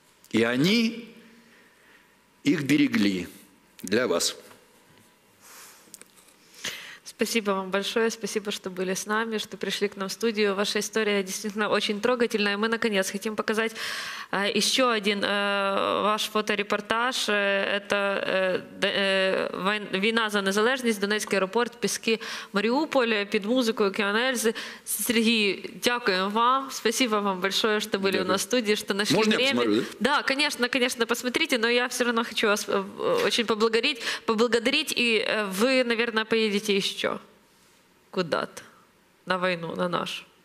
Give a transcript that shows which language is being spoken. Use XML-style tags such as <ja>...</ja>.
<ru>И они их берегли для вас. Спасибо вам большое, спасибо, что были с нами, что пришли к нам в студию. Ваша история действительно очень трогательная. Мы, наконец, хотим показать еще один ваш фоторепортаж.</ru> <uk>Это «Війна за незалежність», Донецький аеропорт, піски Маріуполя під музикою Кіанельзи. Сергій, дякуємо вам,</uk> <ru>спасибо вам большое, что были у нас в студии, что нашли можно время. Можно я посмотрю? Да, конечно, конечно, посмотрите, но я все равно хочу вас очень поблагодарить, и вы, наверное, поедете еще. Куда-то. На войну, на нашу.</ru>